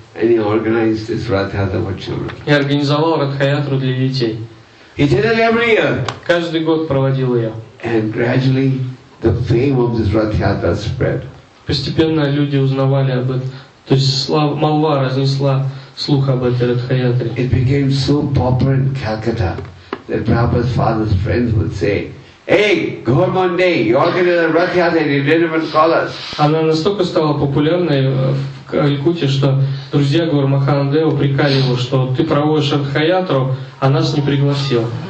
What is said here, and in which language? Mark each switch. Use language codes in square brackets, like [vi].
[en] And he organized this Rath Yatra for children. [ru] И организовал Ратха-Ятру для детей. [en] He did it every year. [ru] Каждый год проводил ее. [en] And gradually the fame of this Rath Yatra spread. [ru] Постепенно люди узнавали об этом. То есть молва разнесла слух об этой Ратха-Ятре. [en] It became so popular in Calcutta that Prabhupada's father's friends would say, hey, Gormande, you organized a Rath Yatra and you didn't even call us. [ru] Она настолько стала популярной в Калькутте, что друзья Гурмахандева упрекали его, что ты проводишь Ратха-Ятру, а нас не пригласил.